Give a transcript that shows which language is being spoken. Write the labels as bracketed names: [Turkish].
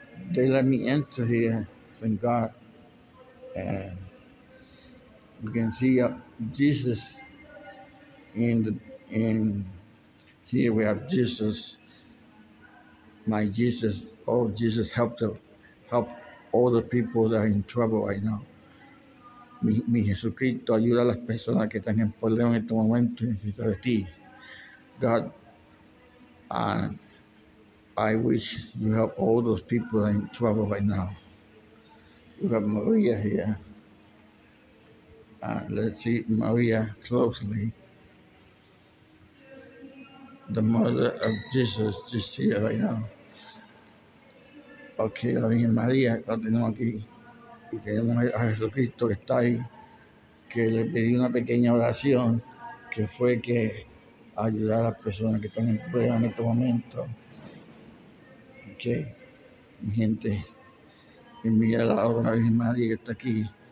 [English] They let me enter here, thank God. And you can see Jesus here we have Jesus, my Jesus. Oh, Jesus, help all the people that are in trouble right now. [Spanish] Mi Jesucristo, ayuda a las personas que están en problemas en este momento y necesitan de ti. [English] God, I wish you help all those people that are in trouble right now. We have Maria here. Let's see Maria closely. The mother of Jesus just here right now. [Spanish] Okay, la Virgen María, la tenemos aquí. Y tenemos a Jesucristo que está ahí, que le pedí una pequeña oración, que fue que ayudara a las personas que están en prueba en este momento. Okay, mi gente, envía la otra Virgen María que está aquí.